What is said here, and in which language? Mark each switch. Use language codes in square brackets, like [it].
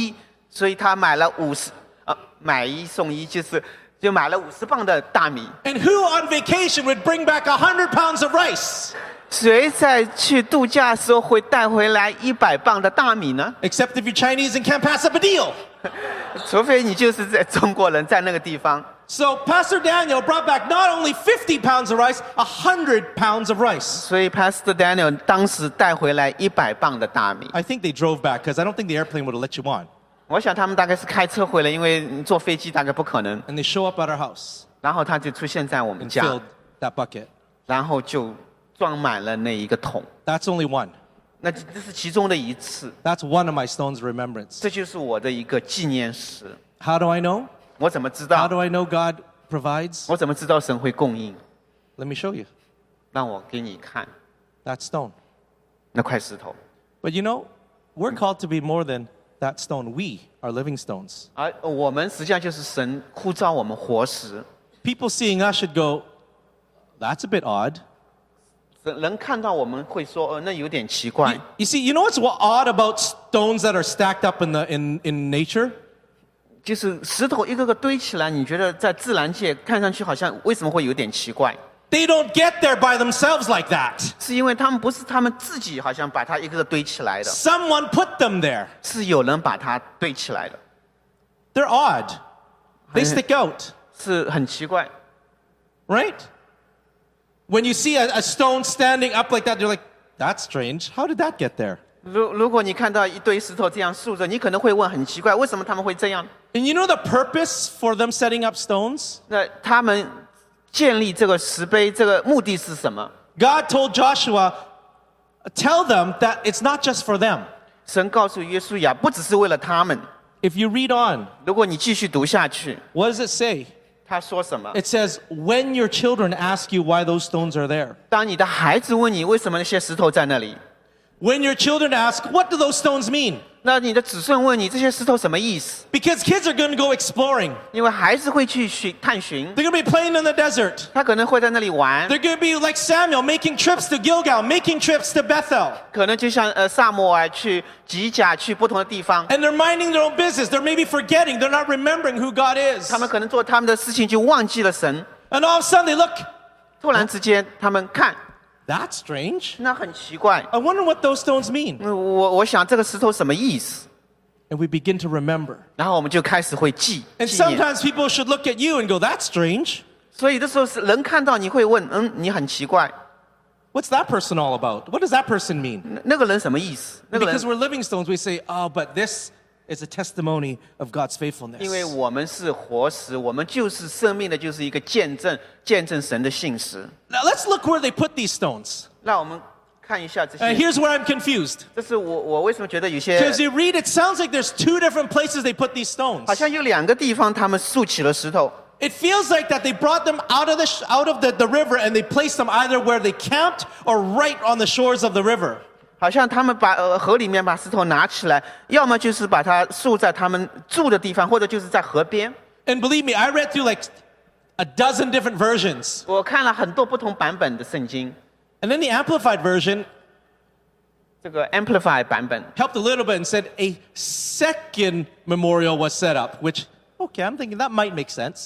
[zh] 那个时候就是买二送一，所以他买了五十。买一送一就是，就买了50磅的大米。 [en] And who on vacation would bring back 100 pounds of rice? [zh] 谁在去度假的时候会带回来100磅的大米呢？ [en] Except if you're Chinese and can't pass up a deal. [zh] 除非你就是在中国人，在那个地方。 [en] So Pastor Daniel brought back not only 50 pounds of rice, 100 pounds of rice. [zh] 所以 Pastor Daniel 当时带回来100磅的大米。 [en] I think they drove back because I don't think the airplane would have let you on. [zh] 我想他们大概是开车回来，因为坐飞机大概不可能。 [en] And they show up at our house. [zh] 然后他就出现在我们家。 [en] And filled that bucket. [zh] 然后就装满了那一个桶。 [en] That's only one. [zh] 那这是其中的一次。 [en] That's one of my stones of remembrance. [zh] 这就是我的一个纪念石。 [en] How do I know? [zh] 我怎么知道？ [en] How do I know God provides? [zh] 我怎么知道神会供应？ [en] Let me show you. [zh] 让我给你看。 [en] That stone. [zh] 那块石头。 [en] But you know, we're called to be more than that stone. We are living stones. [zh] 而我们实际上就是神呼召我们活石。 [en] People seeing us should go, that's a bit odd. [zh] 人看到我们会说，那有点奇怪。 [en] You see, you know what's odd about stones that are stacked up in nature? [zh] 就是石头一个个堆起来，你觉得在自然界看上去好像为什么会有点奇怪？ [en] They don't get there by themselves like that. [zh] 是因为他们不是他们自己好像把它一个个堆起来的。 [en] Someone put them there. [zh] 是有人把它堆起来的。 [en] They're odd. They stick out. [zh] 是很奇怪。 [en] Right? When you see a stone standing up like that, you're like, that's strange. How did that get there? [zh] 如果你看到一堆石头这样竖着，你可能会问很奇怪，为什么他们会这样？ [en] And you know the purpose for them setting up stones? [zh] 那他们建立这个石碑，这个目的是什么？ [en] God told Joshua, tell them that it's not just for them. [zh] 神告诉约书亚，不只是为了他们。 [en] If you read on, [zh] 如果你继续读下去， [en] what does it say? [zh] 他说什么？ [en] It says, when your children ask you why those stones are there. [zh] 当你的孩子问你为什么那些石头在那里？ [en] When your children ask, what do those stones mean? [zh] 那你的子孙问你这些石头什么意思？ [en] Because kids are going to go exploring. [zh] 因为孩子会去探寻。 [en] They're going to be playing in the desert. [zh] 他可能会在那里玩。 [en] They're going to be like Samuel, making trips to Gilgal, making trips to Bethel. [zh] 可能就像撒母耳去吉甲，去不同的地方。 [en] And they're minding their own business. They're maybe forgetting. They're not remembering who God is. [zh] 他们可能做他们的事情就忘记了神。 [en] And all of a sudden they look. [zh] 突然之间他们看。 [en] That's strange. [zh] 那很奇怪。 [en] I wonder what those stones mean. [zh] 我想这个石头什么意思？ [en] And we begin to remember. [zh] 然后我们就开始会记。 [en] And sometimes people should look at you and go, that's strange. [zh] 所以有的时候人看到你会问，你很奇怪。 [en] What's that person all about? What does that person mean? [zh] 那个人什么意思？那个人。 [en] Because we're living stones, we say, oh, but this is a testimony of God's faithfulness. [zh] 因为我们是活石，我们就是生命的，就是一个见证，见证神的信实。 [en] Now let's look where they put these stones. [zh] 那我们看一下这些。 [en] And here's where I'm confused. [zh] 这是我为什么觉得有些。 [en] Because you read, it sounds like there's two different places they put these stones. [zh] 好像有两个地方他们竖起了石头。 [en] It feels like that they brought them out of the river and they placed them either where they camped or right on the shores of the river. [zh] 好像他们把河里面把石头拿起来，要么就是把它竖在他们住的地方，或者就是在河边。 [en] And believe me, I read through like a dozen different versions. [zh] 我看了很多不同版本的圣经。 [en] And then the Amplified version. [zh] 这个 Amplified 版本 [en] helped a little bit and said a second memorial was set up, which okay, I'm thinking that might make sense.